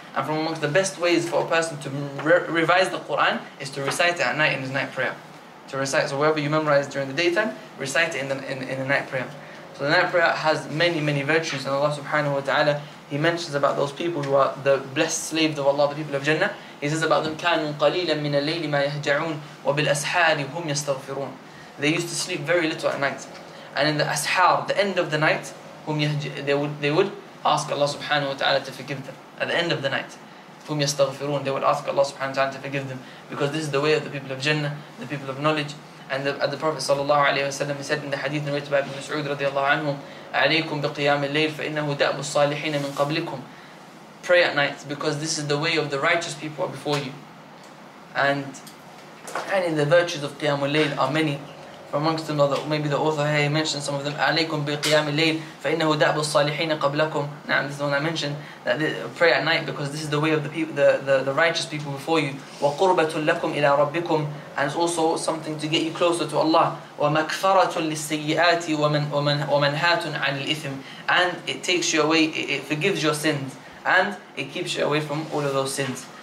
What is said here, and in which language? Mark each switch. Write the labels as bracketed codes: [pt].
[en] And from amongst the best ways for a person to revise the Quran is to recite it at night in his night prayer. To recite, so wherever you memorize during the daytime, recite it in the night prayer. So the night prayer has many, many virtues, and Allah subhanahu wa ta'ala, he mentions about those people who are the blessed slaves of Allah, the people of Jannah. He says about them, [ar] كانوا قليلا من الليل ما يهجعون وبالأسحار هم يستغفرون. [en] They used to sleep very little at night, and in the ashar, the end of the night, whom they would ask Allah subhanahu wa ta'ala to forgive them. At the end of the night, whom [ar] يستغفرون, [en] they would ask Allah subhanahu wa ta'ala to forgive them, because this is the way of the people of Jannah, the people of knowledge. And the Prophet sallallahu alayhi wa sallam, he said in the hadith narrated by Ibn Mas'ud radiallahu anhu, [ar] عليكم بقيام الليل فإنه دأب الصالحين من قبلكم. [en] Pray at night, because this is the way of the righteous people before you. And in the virtues of قيام الليل are many. Amongst them, maybe the author here mentioned some of them. [ar] عليكم بقيام الليل فإنه دأب الصالحين قبلكم. [en] Now, this is the one I mentioned, that pray at night because this is the way of the righteous people before you. [ar] وقربة لكم إلى ربكم, [en] and it's also something to get you closer to Allah. [ar] ومكفرة للسيئات ومنهات عن الإثم, [en] and it takes you away, it forgives your sins, and it keeps you away from all of those sins.